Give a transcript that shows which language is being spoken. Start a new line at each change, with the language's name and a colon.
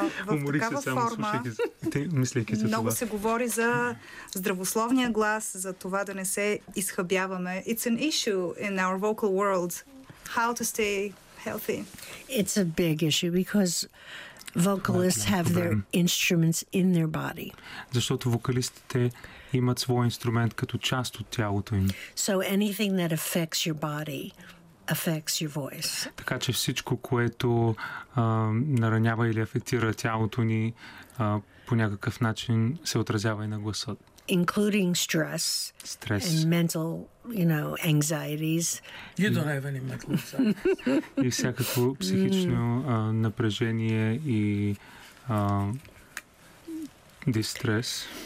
Bulgarian: Уморих се само, слушайки за това. Много се говори за здравословния глас, за това да не се изхъбяваме.
English: It's an issue in our vocal world. How to stay healthy? It's a big issue because vocalists have their instruments in their body.
Bulgarian: Защото вокалистите имат свой инструмент като част от тялото им.
English: So anything that affects your body affects your voice.
Bulgarian: Така че всичко, което наранява или афектира тялото ни, по някакъв начин се отразява и на гласа.
English: Including stress, and mental, you know, anxieties. You don't have any mental anxieties.
Bulgarian: И всякакво психично напрежение и дистрес.